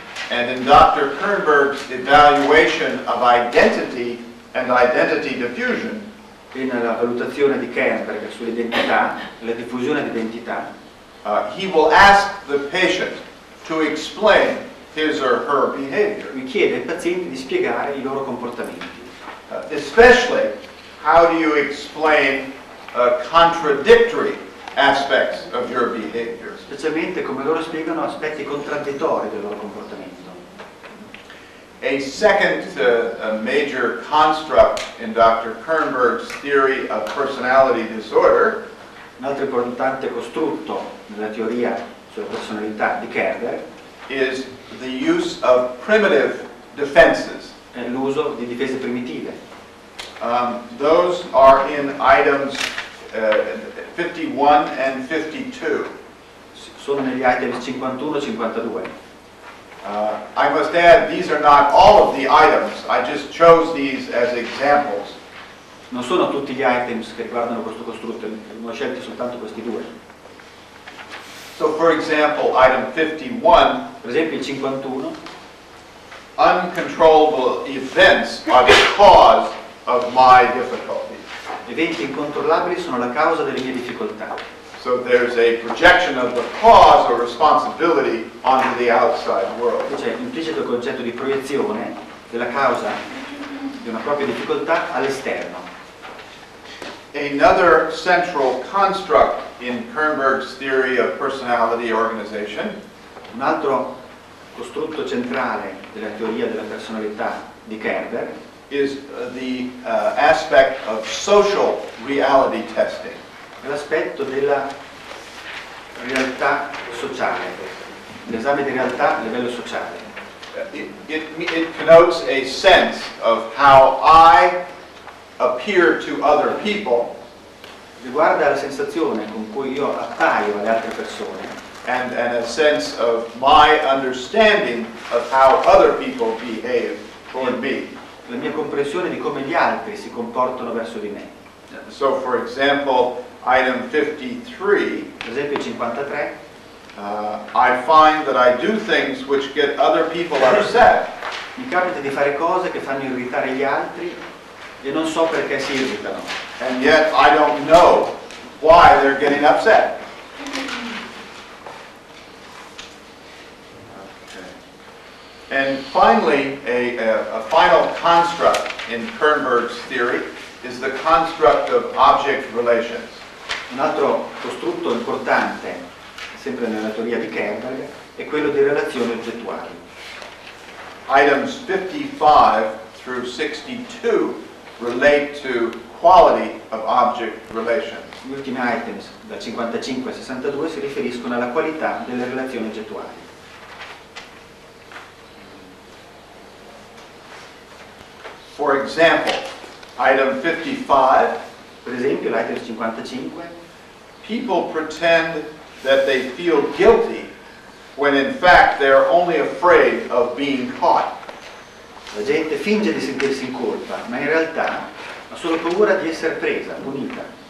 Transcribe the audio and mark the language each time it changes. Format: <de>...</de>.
<en>And in Dr. Kernberg's evaluation of identity and identity diffusion.</en> <it>E nella valutazione di Kernberg sull'identità, la diffusione di identità.</it> <en>He will ask the patient to explain his or her behavior.</en> <it>Mi chiede ai pazienti di spiegare I loro comportamenti.</it> <en>Especially, how do you explain contradictory aspects of your behavior?</en> <it>Specialmente come loro spiegano aspetti contraddittori del loro comportamento.</it> <en>A second major construct in Dr. Kernberg's theory of personality disorder.</en> <it>Un altro importante costrutto nella teoria sulla personalità di Kernberg</it> <en>is the use of primitive defenses.</en> <it>è l'uso di difese primitive.</it> <en>Those are in items 51 and 52.</en> <it>Sono negli items 51 e 52.</it> <en>I must add, these are not all of the items. I just chose these as examples.</en> <it>Non sono tutti gli items che riguardano questo costrutto, ho scelto soltanto questi due.</it> <en>So for example, item 51,</en> <it>per esempio il 51,</it> <en>uncontrollable events are the cause of my difficulty.</en> <it>Eventi incontrollabili sono la causa delle mie difficoltà.</it> <en>So there's a projection of the cause or responsibility onto the outside world.</en> <it>C'è un implicito concetto di proiezione della causa di una propria difficoltà all'esterno.</it> <en>Another central construct in Kernberg's theory of personality organization.</en> <it>Un altro costrutto centrale della teoria della personalità di Kernberg</it> <en>is the aspect of social reality testing.</en> <it>L'aspetto della realtà sociale, l'esame di realtà a livello sociale.</it> <en>It connotes a sense of how I appear to other people.</en> <it>Riguarda la sensazione con cui io appaio alle altre persone.</it> <en>And a sense of my understanding of how other people behave toward me.</en> <it>La mia comprensione di come gli altri si comportano verso di me.</it> <en>So for example, item 53,</en> <it>esempio 53,</it> <en>I find that I do things which get other people upset.</en> <it>Mi capita di fare cose che fanno irritare gli altri e non so perché si irritano.</it> <en>And yet I don't know why they're getting upset. And finally, a final construct in Kernberg's theory is the construct of object relations.</en> <it>Un altro costrutto importante, sempre nella teoria di Kernberg, è quello di relazioni oggettuali.</it> <en>Items 55 through 62 relate to quality of object relations.</en> <it>Gli ultimi items, da 55 a 62, si riferiscono alla qualità delle relazioni oggettuali.</it> <en>For example, item 55.</en> <it>Per esempio, l'item 55.</it> <en>People pretend that they feel guilty when in fact they are only afraid of being caught.</en> <it>La gente finge di sentirsi in colpa, ma in realtà ha solo paura di essere presa, punita.</it>